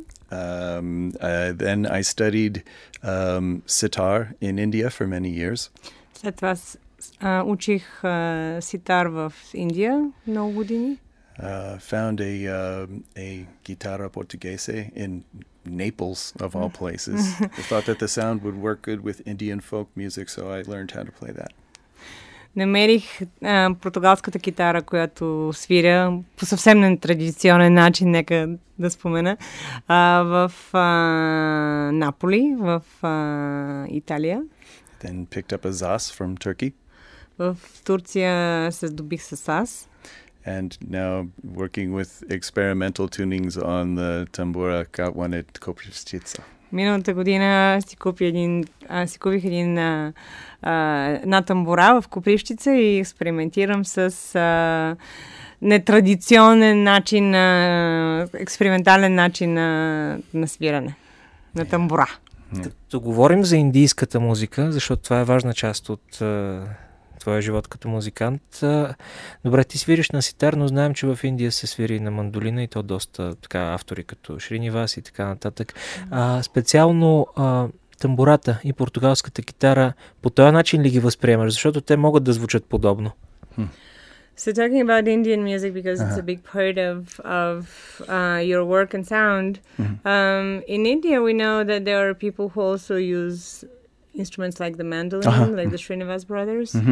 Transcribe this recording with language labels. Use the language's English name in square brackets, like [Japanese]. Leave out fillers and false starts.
[English] Then I studied sitar in India for many years. [Bulgarian] След това учих ситар в Индия много години. [English] Found a guitarra portuguesa in Naples, of all places. I thought that the sound would work good with Indian folk music, so I learned how to play that. [Bulgarian] Намерих португалската китара, която свиря по съвсем нетрадиционен начин, нека да спомена, в Наполи, в Италия. [English] Then picked up a zaz from Turkey. [Bulgarian] В Турция се здобих с заз. [English] And now working with experimental tunings on the tambura, got one at Koprivstica. [Bulgarian] Миналата година си купих една тамбура в Коприщица и експериментирам с нетрадиционен начин, експериментален начин на свиране на тамбура. Като говорим за индийската музика, защото това е важна част от твоя живот като музикант. Добре, ти свириш на ситар, но знаем, че в Индия се свири на мандолина и то доста така автори като Шриневас и така нататък. Специално тамбурата и португалската китара, по този начин ли ги възприемаш? Защото те могат да звучат подобно. [English] So talking about Indian music, because it's a big part of your work and sound. In India we know that there are people who also use instruments like the mandolin, like the Srinivas brothers.